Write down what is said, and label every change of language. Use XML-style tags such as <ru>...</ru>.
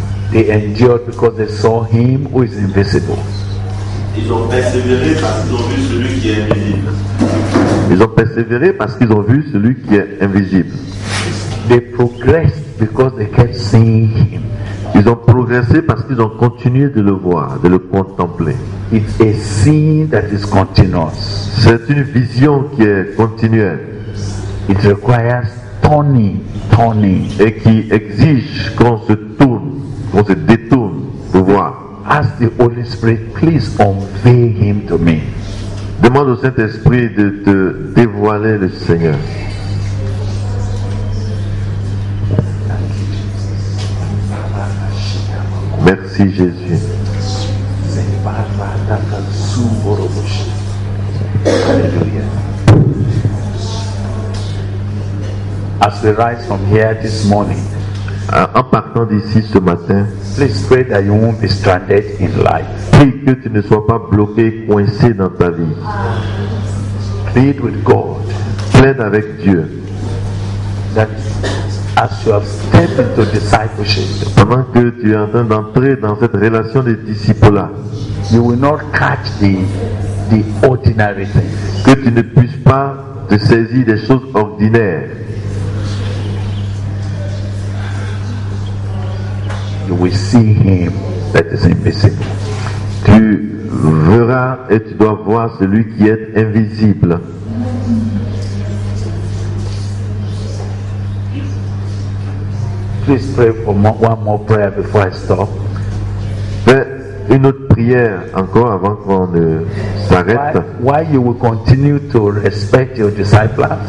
<en>They endured because they saw him who is invisible.</en> <fr>Ils ont persévéré parce qu'ils ont vu celui qui est invisible.</fr> <en>They progressed because they kept seeing him.</en> <fr>Ils ont progressé parce qu'ils ont continué de le voir, de le contempler.</fr> <en>It's a seeing that is continuous.</en> <fr>C'est une vision qui est continuelle.</fr> <en>It requires turning.</en> <fr>Et qui exige qu'on se tourne, qu'on se détourne pour voir.</fr> <en>Ask the Holy Spirit, please unveil him to me.</en> <fr>Demande au Saint-Esprit de te dévoiler le Seigneur. Merci Jésus.</fr> <en>Alléluia. As we rise from here this morning,</en> <fr>en partant d'ici ce matin,</fr> <en>please pray that you won't be stranded in life.</en> <fr>Prie que tu ne sois pas bloqué, coincé dans ta vie.</fr> <en>Plead with God.</en> <fr>Plaide avec Dieu.</fr> <en>That as you have stepped into discipleship,</en> <fr>pendant que tu es en train d'entrer dans cette relation de discipulat,</fr> <en>you will not catch the ordinary things.</en> <fr>Que tu ne puisses pas te saisir des choses ordinaires.</fr> <en>We see him that is invisible.</en> <fr>Tu verras et tu dois voir celui qui est invisible.</fr> <en>Please pray for one more prayer before I stop.</en> <fr>Fais une autre prière encore avant qu'on ne s'arrête.</fr> <en>Why you will continue to respect your disciples?</en>